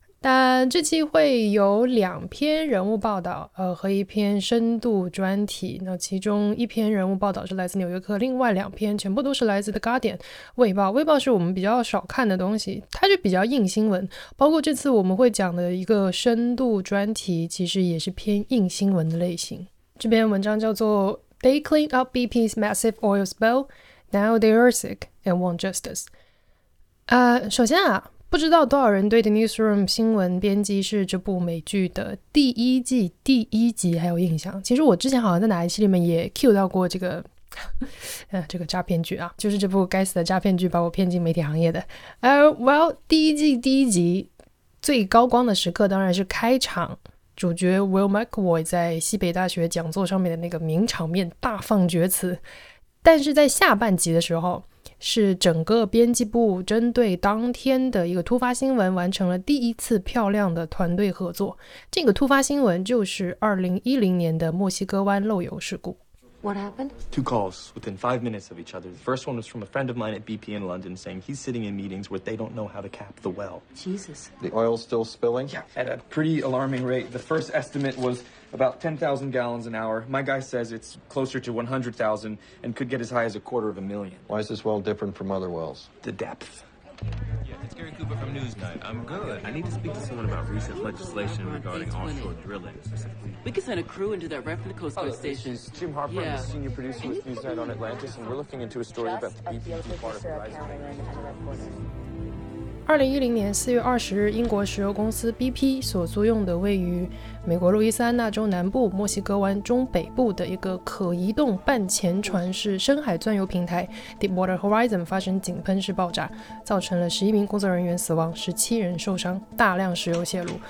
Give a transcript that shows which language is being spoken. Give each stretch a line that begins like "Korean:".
Chinese: 但这期会有两篇人物报道，和一篇深度专题。那其中一篇人物报道是来自纽约客，另外两篇全部都是来自 The Guardian 卫报。卫报是我们比较少看的东西，它就比较硬新闻。包括这次我们会讲的一个深度专题，其实也是偏硬新闻的类型。这篇文章叫做
English: They cleaned up BP's massive oil spill, now they are sick and want justice.
Chinese: 首先啊，不知道多少人对 The Newsroom 新闻编辑是这部美剧的第一季第一集还有印象。其实我之前好像在哪一期里面也 Q 到过这个诈骗剧啊，就是这部该死的诈骗剧把我骗进媒体行业的。第一季第一集最高光的时刻当然是开场，主角 Will McAvoy 在西北大学讲座上面的那个名场面，大放厥词。但是在下半集的时候，是整个编辑部针对当天的一个突发新闻完成了第一次漂亮的团队合作。这个突发新闻就是2010年的墨西哥湾漏油事故。
English: What happened? Two calls within 5 minutes of each other. The first one was from a friend of mine at BP in London saying he's sitting in meetings where they don't know how to cap the well. Jesus. The oil's still spilling? Yeah. At a pretty alarming rate. The first estimate was about 10,000 gallons an hour. My guy says it's closer to 100,000 and could get as high as a quarter of a million. Why is this well different from other wells? The depth. Yeah, it's Gary Cooper from Newsnight. I'm good. I need to speak to someone about recent legislation regarding offshore drilling. We could send a crew into that wreck from the Coast Guard station. This is Jim Harper, yeah. I'm the senior producer with Newsnight on Atlantis, and we're looking into a story about the BP part of the Horizon.
Chinese: 2010年4月20日，英国石油公司 BP 所租用的位于美国路易斯安那州南部墨西哥湾中北部的一个可移动半潜船式深海钻油平台 Deepwater Horizon 发生井喷式爆炸，造成了11名工作人员死亡，17人受伤，大量石油泄露。